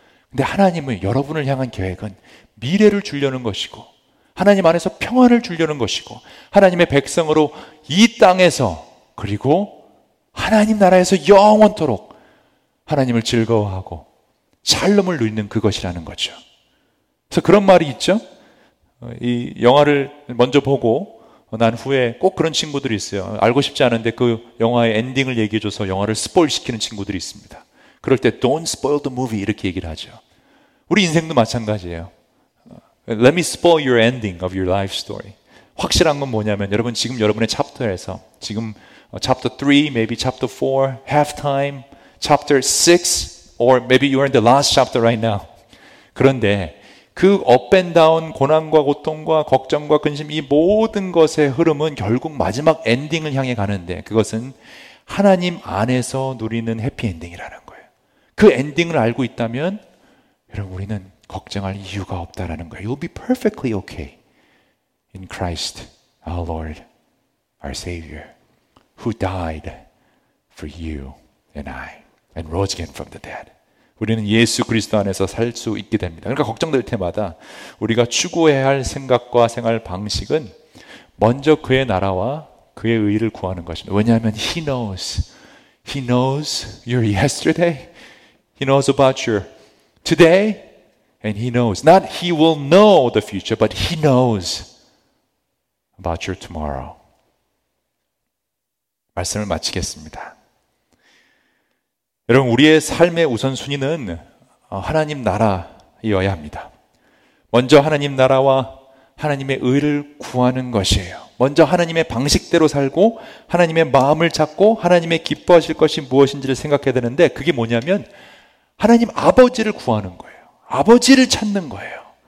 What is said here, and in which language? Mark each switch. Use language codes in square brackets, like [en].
[ko] 근데 하나님은 여러분을 향한 계획은 미래를 주려는 것이고 하나님 안에서 평안을 주려는 것이고 하나님의 백성으로 이 땅에서 그리고 하나님 나라에서 영원토록 하나님을 즐거워하고 샬롬을 누리는 그것이라는 거죠. 그래서 그런 말이 있죠. 이 영화를 먼저 보고 난 후에 꼭 그런 친구들이 있어요. 알고 싶지 않은데 그 영화의 엔딩을 얘기해줘서 영화를 스포일 시키는 친구들이 있습니다. 그럴 때 [en] Don't spoil the movie [ko] 이렇게 얘기를 하죠. 우리 인생도 마찬가지예요. [en] Let me spoil your ending of your life story. [ko] 확실한 건 뭐냐면 여러분 지금 여러분의 챕터에서 지금 [en] chapter 3, maybe chapter 4, halftime, chapter 6 or maybe you're in the last chapter right now. [ko] 그런데 그 [en] up and down, [ko] 고난과 고통과 걱정과 근심 이 모든 것의 흐름은 결국 마지막 엔딩을 향해 가는데 그것은 하나님 안에서 누리는 해피엔딩이라는 거예요. 그 엔딩을 알고 있다면 여러분 우리는 걱정할 이유가 없다라는 거예요. [en] You'll be perfectly okay in Christ, our Lord, our Savior, who died for you and I and rose again from the dead. [ko] 우리는 예수 그리스도 안에서 살 수 있게 됩니다. 그러니까 걱정될 때마다 우리가 추구해야 할 생각과 생활 방식은 먼저 그의 나라와 그의 의의를 구하는 것입니다. 왜냐하면 [en] He knows. He knows your yesterday. He knows about your today. And He knows. Not He will know the future, but He knows about your tomorrow. [ko] 말씀을 마치겠습니다. 여러분, 우리의 삶의 우선순위는 하나님 나라이어야 합니다. 먼저 하나님 나라와 하나님의 의를 구하는 것이에요. 먼저 하나님의 방식대로 살고 하나님의 마음을 찾고 하나님의 기뻐하실 것이 무엇인지를 생각해야 되는데 그게 뭐냐면 하나님 아버지를 구하는 거예요. 아버지를 찾는 거예요.